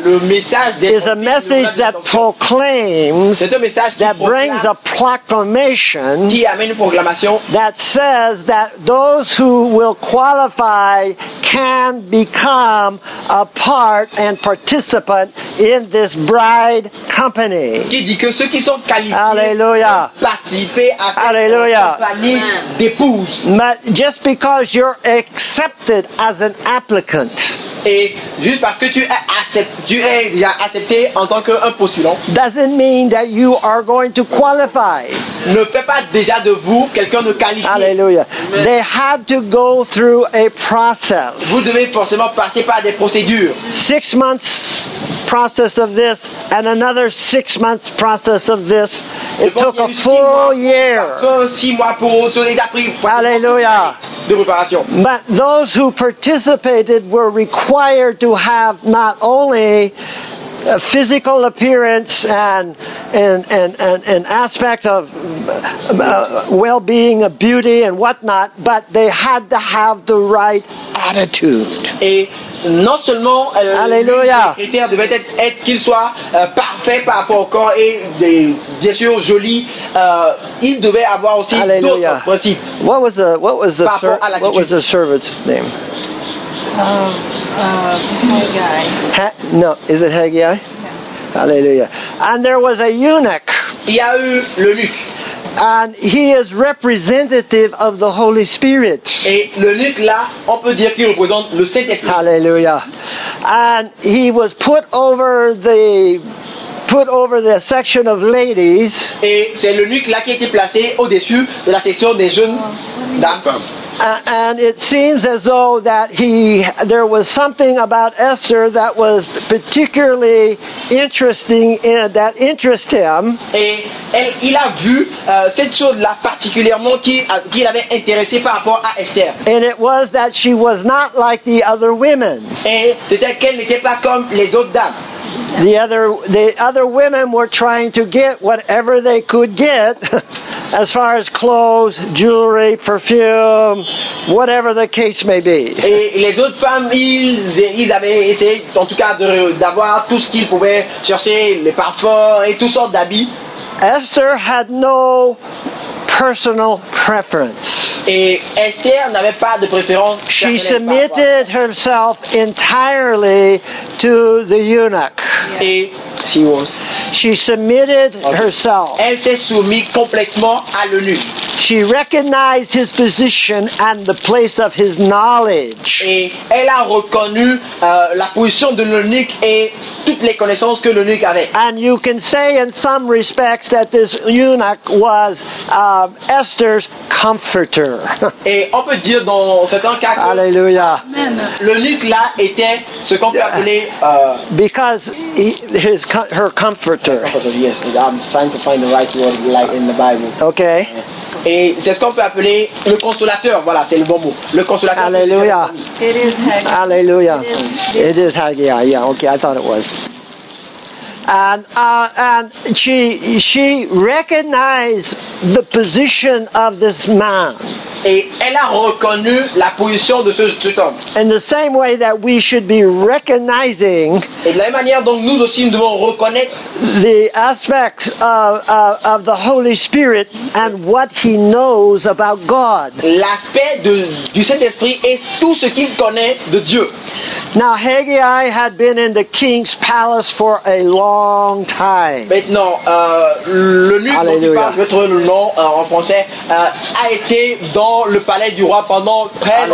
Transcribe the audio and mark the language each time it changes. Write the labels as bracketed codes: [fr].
[en] Is a message that proclaims that brings a proclamation that says that those who will qualify can become a part and participant in this bride company. [fr] Qui dit que ceux qui sont qualifiés participer à Alleluia. D'épouse. [en] But just because you're accepted as an applicant. [fr] Et juste parce que tu es accepté en tant qu'un postulant. [en] Doesn't mean that you are going to qualify. [fr] Ne fait pas déjà de vous quelqu'un de qualifié. [en] Alléluia. They had to go through a process. [fr] Vous devez forcément passer par des procédures. [en] 6 months process of this and another 6 months process of this. It took a full year. [fr] Alléluia. De préparation. [en] But those who participated were required to have not only a physical appearance and aspect of well-being, of beauty and whatnot, but they had to have the right attitude. [fr] Et non seulement Alléluia. Le critère devait être qu'il soit parfait par rapport au corps et bien sûr joli, il devait avoir aussi Alléluia. D'autres principes. [en] What was the servant's name? Haggai. No, is it Haggai? Yeah. Hallelujah. And there was a eunuch. [fr] Il y a eu l'eunuque. [en] And he is representative of the Holy Spirit. [fr] Et l'eunuque là, on peut dire qu'il représente le Saint-Esprit. Hallelujah. [en] And he was put over the section of ladies. [fr] Et c'est l'eunuque là qui a été placé au-dessus de la section des jeunes dames. [en] And it seems as though that there was something about Esther that was particularly interesting that interested him. [fr] Et elle, il a vu cette chose-là particulièrement qui l'avait intéressé par rapport à Esther. [en] And it was that she was not like the other women. [fr] Et c'était qu'elle n'était pas comme les autres dames. [en] The other women were trying to get whatever they could get as far as clothes, jewelry, perfume, whatever the case may be. [fr] Et les autres femmes, ils avaient essayé en tout cas d'avoir tout ce qu'ils pouvaient chercher, les parfums et toutes sortes d'habits. [en] Esther had no personal preference. [fr] Et Esther n'avait pas de préférence. [en] She submitted herself entirely to the eunuch. Yeah. [fr] Et [en] she was. She submitted herself. [fr] Elle s'est soumise complètement à l'eunuque. [en] She recognized his position and the place of his knowledge. [fr] Et elle a reconnu la position de l'eunuque et toutes les connaissances que l'eunuque avait. [en] And you can say in some respects that this eunuch was Esther's comforter. [fr] Et on peut dire dans certains cas que Alléluia. L'eunuque là était ce qu'on peut appeler [en] because her comforter. Yes, I'm trying to find the right word like in the Bible. Okay. [fr] Et c'est ce qu'on peut appeler le consolateur. Voilà, c'est le bon mot. Le consolateur. Alléluia. Alléluia. [en] It is Haggai. Yeah, okay, I thought it was. And she recognized the position of this man. [fr] Et elle a reconnu la position de ce tout homme. [en] In the same way that we should be recognizing. [fr] Et de la même manière dont nous aussi nous devons reconnaître [en] the aspects of the Holy Spirit and what he knows about God. [fr] L'aspect du Saint-Esprit et tout ce qu'il connaît de Dieu. [en] Now Haggai had been in the king's palace for a long time. [fr] Maintenant, le nu, je vais trouver le nom en français, a été dans le palais du roi pendant très